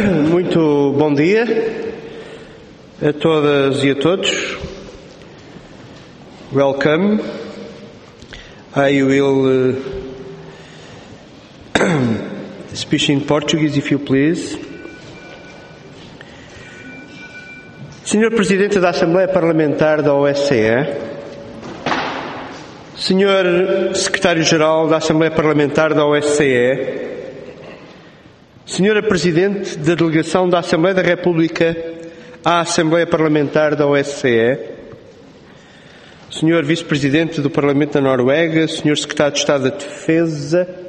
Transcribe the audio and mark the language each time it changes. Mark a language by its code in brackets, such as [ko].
[pt] Muito bom dia a todas e a todos. [en] Welcome. I will speak in Portuguese, if you please. [pt] Senhor Presidente da Assembleia Parlamentar da OSCE, Senhor Secretário-Geral da Assembleia Parlamentar da OSCE, Senhora Presidente da Delegação da Assembleia da República à Assembleia Parlamentar da OSCE, Senhor Vice-Presidente do Parlamento da Noruega, Senhor Secretário de Estado da Defesa,